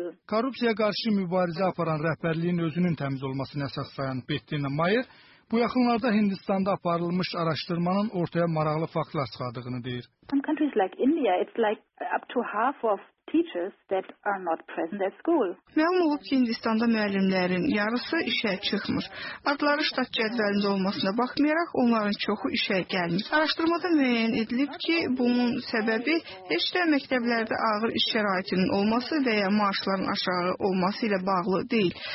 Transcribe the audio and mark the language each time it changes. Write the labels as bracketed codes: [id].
[az] Korrupsiyaya qarşı mübarizə aparan rəhbərliyin özünün təmiz olmasını əsas sayan Bettina Mayer, bu yaxınlarda Hindistanda aparılmış araşdırmanın ortaya maraqlı faktlar çıxardığını deyir. [en] Some countries like India, it's like up to half of teachers that are not present at school. [az] Məlum olub ki, Hindistanda müəllimlərin yarısı işə çıxmır. Adları ştat cədvəlində olmasına baxmayaraq, onların çoxu işə gəlmir. Araşdırmada müəyyən edilib ki, bunun səbəbi heç də məktəblərdə ağır iş şəraitinin olması və ya maaşların aşağı olması ilə bağlı deyil.